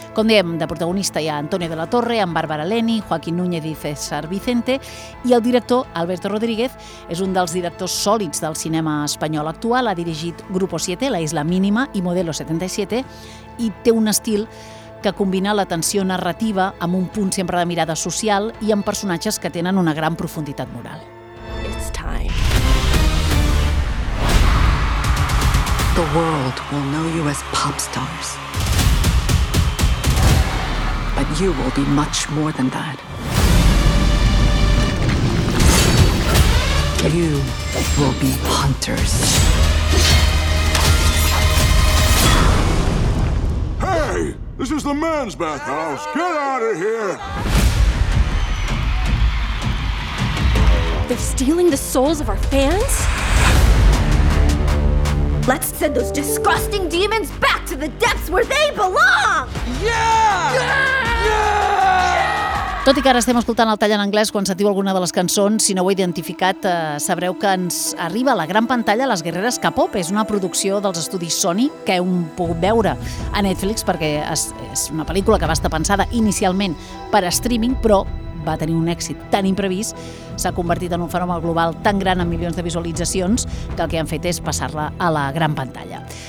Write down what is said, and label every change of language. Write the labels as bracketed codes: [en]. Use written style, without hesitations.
[ca] Com dèiem, de protagonista hi ha Antonio de la Torre, amb Bárbara Leni, Joaquín Núñez i César Vicente, i el director, Alberto Rodríguez, és un dels directors sòlids del cinema espanyol actual. Ha dirigit Grupo 7, La Isla Mínima i Modelo 77, i té un estil que combina la tensió narrativa amb un punt sempre de mirada social i amb personatges que tenen una gran profunditat moral. [en] It's time. The world will know you as pop stars. But you will be much more than that. You will be hunters. Hey! This is the men's bathhouse. Get out of here! They're stealing the souls of our fans? Let's send those disgusting demons back to the depths where they belong! Yeah! Yeah! [ca] Tot i que ara estem escoltant el tall en anglès, quan sentiu alguna de les cançons, si no ho heu identificat, sabreu que ens arriba a la gran pantalla Les Guerreres K-Pop. És una producció dels estudis Sony que heu pogut veure a Netflix, perquè és una pel·lícula que va estar pensada inicialment per a streaming, però va tenir un èxit tan imprevist, s'ha convertit en un fenomen global tan gran amb milions de visualitzacions que el que han fet és passar-la a la gran pantalla.